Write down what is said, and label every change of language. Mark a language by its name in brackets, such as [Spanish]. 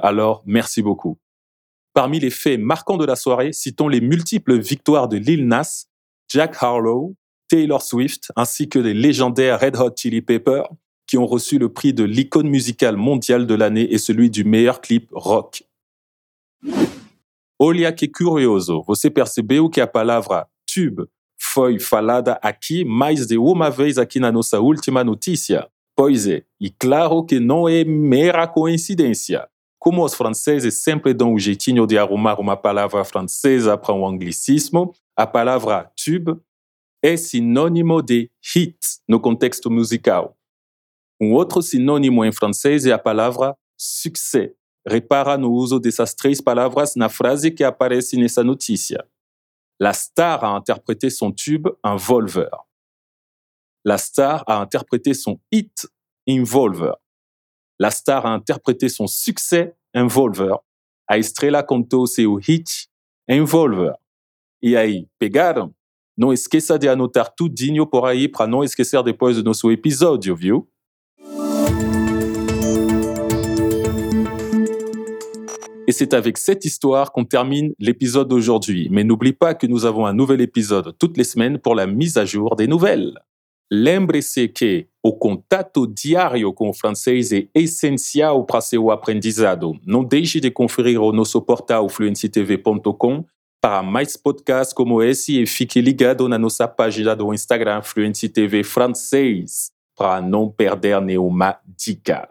[French] Alors, merci beaucoup. » Parmi les faits marquants de la soirée, citons les multiples victoires de Lil Nas, Jack Harlow, Taylor Swift, ainsi que les légendaires Red Hot Chili Peppers, qui ont reçu le prix de l'icône musicale mondiale de l'année et celui du meilleur clip rock. [Portuguese] Olha que curioso, você percebeu que a palavra tube foi falada aqui mais de uma vez aqui na nossa última notícia? Pois é, e claro que não é mera coincidência. Como os franceses sempre dão o jeitinho de arrumar uma palavra francesa para um anglicismo, a palavra tube é sinônimo de hit no contexto musical. Outro sinônimo em francês é a palavra succès. Repara no uso dessas três palavras na frase que aparece nessa notícia. [French] La star a interprété son tube Involver. La star a interprété son hit Involver. La star a interprété son succès Involver. [Portuguese] A estrela cantou seu hit Involver. E aí, pegaram? Não esqueça de anotar tudinho por aí para não esquecer depois do nosso episódio, viu? [French] Et c'est avec cette histoire qu'on termine l'épisode d'aujourd'hui. Mais n'oublie pas que nous avons un nouvel épisode toutes les semaines pour la mise à jour des nouvelles. [Portuguese] Lembre-se que o contato diário com o francês é essencial para seu aprendizado. Não deixe de conferir o nosso portal fluencytv.com para mais podcasts como esse e fique ligado na nossa página do Instagram FluencyTV Francês para não perder nenhuma dica.